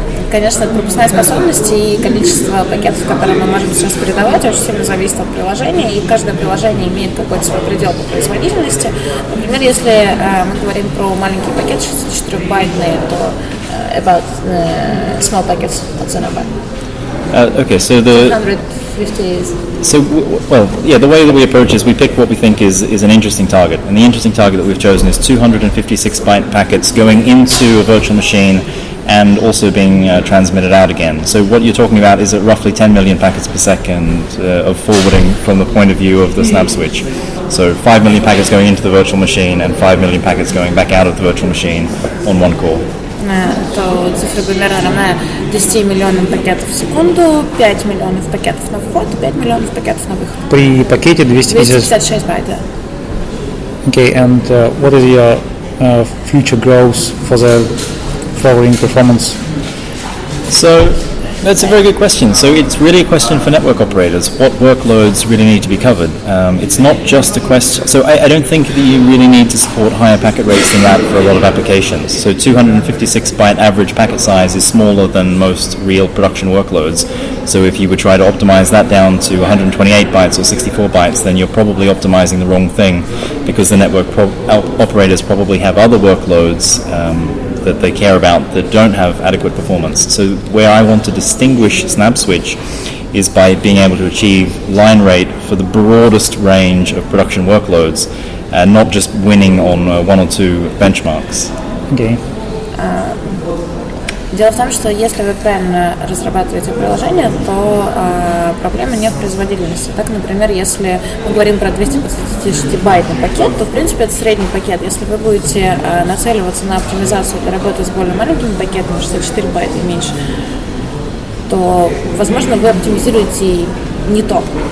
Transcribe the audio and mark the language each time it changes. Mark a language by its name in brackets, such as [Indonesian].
[Russian] Конечно, пропускная способность и количество пакетов, которые мы можем сейчас передавать, очень сильно зависит от приложения, и каждое приложение имеет какой-то свой предел по производительности. Например, если мы говорим про маленький пакет, 64-байтный, то [English] about small packets, what's in a bag? Okay, so the... 150 is... So, the way that we approach is we pick what we think is an interesting target, and the interesting target that we've chosen is 256-byte packets going into a virtual machine and also being transmitted out again. So what you're talking about is at roughly 10 million packets per second of forwarding from the point of view of the SnapSwitch. So 5 million packets going into the virtual machine and 5 million packets going back out of the virtual machine on one core. [Russian] То цифра примерно равна 10 миллионам пакетов в секунду, 5 миллионов пакетов на вход, 5 миллионов пакетов на выход. При пакете 256 байта. [English] Okay, and what is your future growth for the forwarding performance? So that's a very good question. So it's really a question for network operators. What workloads really need to be covered? It's not just a question. So I don't think that you really need to support higher packet rates than that for a lot of applications. So 256 byte average packet size is smaller than most real production workloads. So if you would try to optimize that down to 128 bytes or 64 bytes, then you're probably optimizing the wrong thing, because the network operators probably have other workloads that they care about that don't have adequate performance. So where I want to distinguish SnapSwitch is by being able to achieve line rate for the broadest range of production workloads, and not just winning on one or two benchmarks. Okay. [Russian] Дело в том, что если вы правильно разрабатываете приложение, то проблемы не в производительности. Так, например, если мы говорим про 256-байтный пакет, то, в принципе, это средний пакет. Если вы будете нацеливаться на оптимизацию для работы с более маленькими пакетами, 64 байта и меньше, то, возможно, вы оптимизируете не то.